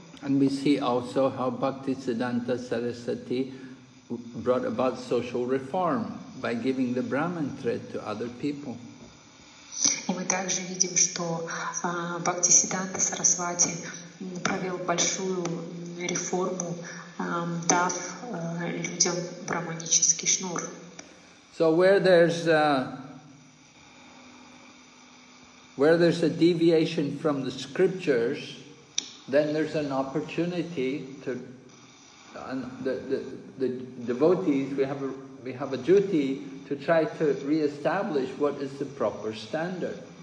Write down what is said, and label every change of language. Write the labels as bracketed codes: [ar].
[en] And we see also how Bhaktisiddhanta Sarasvati brought about social reform by giving the Brahmin thread to other people. [ru] И мы также видим, что Бхактисиддханта Сарасвати провел большую реформу, дав людям брахманический шнур. [en] So where there's a deviation from the scriptures, then there's an opportunity to, the devotees, we have a duty to try to re-establish what is the proper standard.